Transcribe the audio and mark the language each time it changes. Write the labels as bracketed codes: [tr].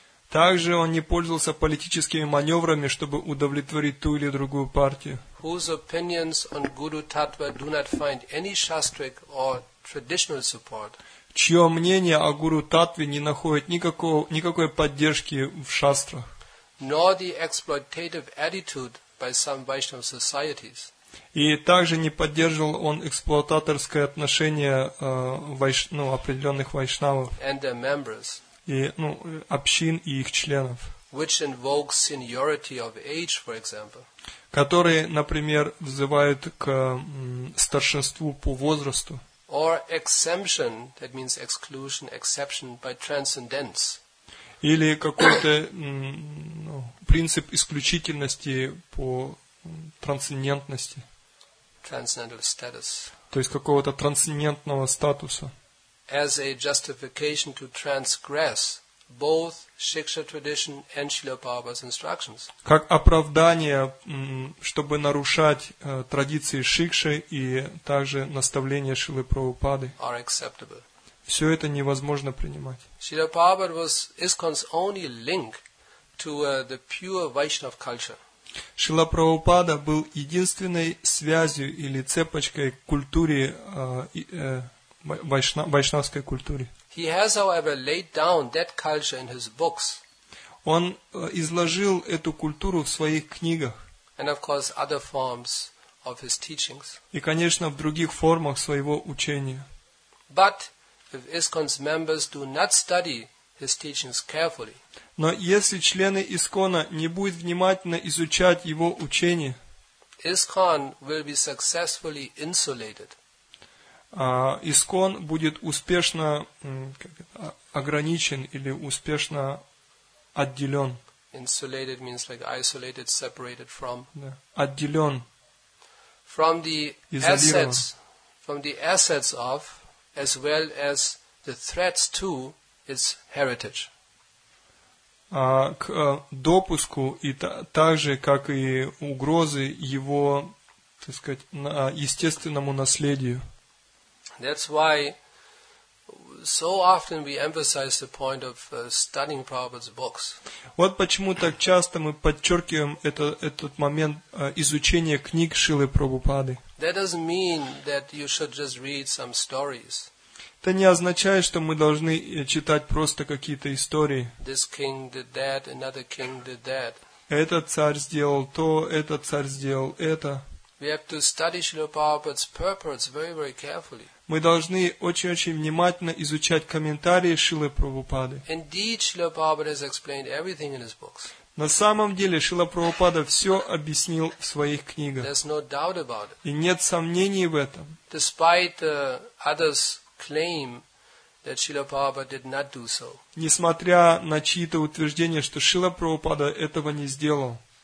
[ru] Также он не пользовался политическими маневрами, чтобы удовлетворить ту или другую партию. [en] Whose opinions on Guru Tattva do not find any shastric or traditional support. [ru] Чье мнение о Гуру Таттве не находит никакой поддержки в шастрах. [en] Nor the exploitative attitude by some Vaishnava societies. [ru] И также не поддерживал он эксплуататорское отношение определенных вайшнавов. [en] And their members. [ru] И, ну, общин и их членов. [en] Which invokes seniority of age, for example. [ru] Которые, например, взывают к старшинству по возрасту. [en] Or exemption, that means exclusion, exception by transcendence. [ru] Или какой-то принцип исключительности по трансцендентности. [en] Transcendental status. [ru] То есть какого-то трансцендентного статуса. [en] As a justification to transgress both Shiksha tradition and Srila Prabhupada's instructions. [ru] Как оправдание, чтобы нарушать традиции Шикши и также наставления Шрилы Прабхупады. [en] Are acceptable. [ru] Все это невозможно принимать. [en] Srila Prabhupada was ISKCON's only link to the pure Vaishnava culture. [ru] Шрила Прабхупада был единственной связью или цепочкой к культуре вайшнавской культуре. [en] He has, however, laid down that culture in his books. [ru] Он изложил эту культуру в своих книгах. [en] And of course, other forms of his teachings. [ru] И, конечно, в других формах своего учения. [en] But if ISKCON's members do not study his teachings carefully. [ru] Но если члены ИСКОНа не будут внимательно изучать его учение, [en] ISKCON will be successfully insulated. [ru] ИСКОН будет успешно ограничен или успешно отделен. [en] Insulated means like isolated, separated from. [ru] Да. Отделен. [en] From the assets, of, as well as the threats to its heritage. [ru] К допуску и также как и угрозы его, так сказать, естественному наследию. [en] That's why so often we emphasize the point of studying Prabhupada's books. [ru] Вот почему так часто мы подчеркиваем этот момент изучения книг Шрилы Прабхупады. [en] That doesn't mean that you should just read some stories. [ru] Это не означает, что мы должны читать просто какие-то истории. [en] This king did that, another king did that. [ru] Этот царь сделал то, этот царь сделал это. [en] We have to study Srila Prabhupada's purports very, very carefully. [ru] Мы должны очень-очень внимательно изучать комментарии Шрилы Прабхупады. [en] Indeed, Srila Prabhupada has explained everything in his books. [ru] На самом деле, Шрила Прабхупада все объяснил в своих книгах. [en] There's no doubt about it. [ru] И нет сомнений в этом. [en] Despite others claim that Srila Prabhupada did not do so. [ru] Несмотря на чьи-то утверждения, что Шрила Прабхупада этого не сделал.